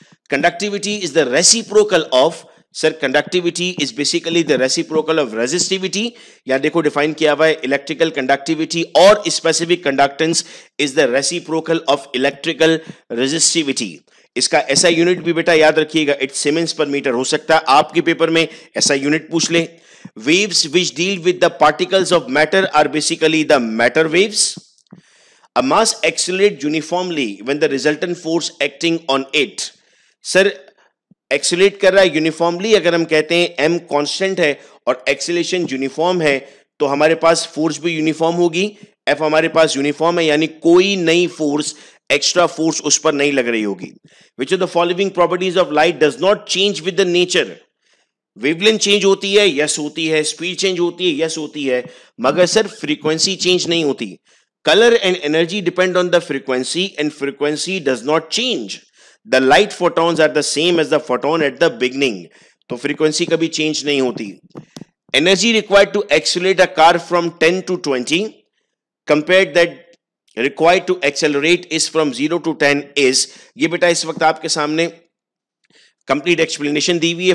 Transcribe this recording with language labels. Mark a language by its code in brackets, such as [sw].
[en] conductivity is the reciprocal of, sir conductivity is basically the reciprocal of resistivity, [hi] या देखो define किया हुआ है [en] Electrical conductivity और specific conductance is the reciprocal of electrical resistivity. [hi] इसका ऐसा यूनिट भी बेटा याद रखिएगा, [en] it's siemens per metre, [hi] हो सकता है आपके पेपर में ऐसा यूनिट पूछ ले. [en] Waves which deal with the particles of matter are basically the matter waves. A mass accelerates uniformly when the resultant force acting on it. [hi] Sir, accelerate कर रहा है uniformly. अगर हम कहते हैं m constant है और acceleration uniform है तो हमारे पास force भी uniform होगी. F हमारे पास uniform है, यानी कोई नई force, extra force उस पर नहीं लग रही होगी. [en] Which of the following properties of light does not change with the nature? [hi] Wavelength change होती है, यस होती है. स्पीड चेंज होती है, यस होती है. मगर सर फ्रीक्वेंसी चेंज नहीं होती. [en] Colour and energy depend on the frequency and frequency does not change. The light photons are the same as the photon at the beginning. [hi] तो फ्रीक्वेंसी कभी change नहीं होती. [en] energy required to accelerate a car from 10 to 20 compared that required to accelerate is from 0 to 10 is, [hi] ये बेटा इस वक्त आपके सामने कंप्लीट एक्सप्लेनेशन दी हुई है.